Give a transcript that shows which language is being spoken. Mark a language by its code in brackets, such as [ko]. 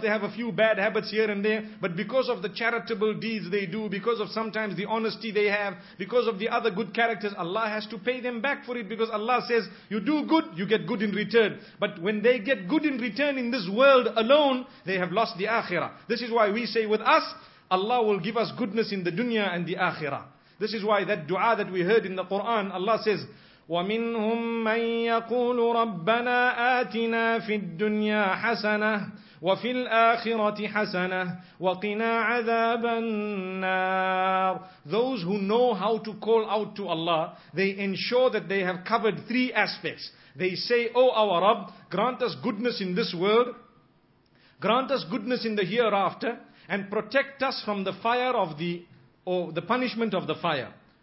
[en] They have a few bad habits here and there. But because of the charitable deeds they do, because of sometimes the honesty they have, because of the other good characters, Allah has to pay them back for it. Because Allah says, you do good, you get good in return. But when they get good in return in this world alone, they have lost the akhirah. This is why we say with us, Allah will give us goodness in the dunya and the akhirah. This is why that dua that we heard in the Quran, Allah says, [ar] وَمِنْهُمْ مَنْ يَقُولُ رَبَّنَا آتِنَا فِي الدُّنْيَا حَسَنَةً وَفِي الْآخِرَةِ حَسَنَةً وَقِنَا عَذَابَ النَّارِ. [en] Those who know how to call out to Allah, they ensure that they have covered three aspects. They say, O our Rabb, grant us goodness in this world, grant us goodness in the hereafter, and protect us from the fire of the, or the punishment of the fire.